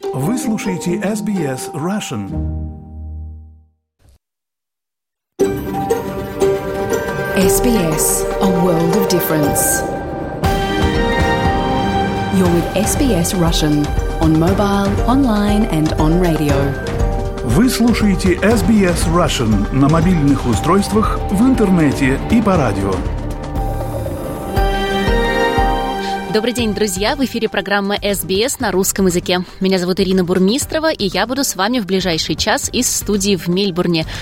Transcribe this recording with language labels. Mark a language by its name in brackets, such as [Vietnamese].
[Russian] Вы слушаете SBS Russian. [English] SBS, a world of difference. You're with SBS Russian on mobile, online and on radio. [Russian] Вы слушаете SBS Russian на мобильных устройствах, в интернете и по радио. Добрый день, друзья! В эфире программа SBS на русском языке. Меня зовут Ирина Бурмистрова, и я буду с вами в ближайший час из студии в Мельбурне.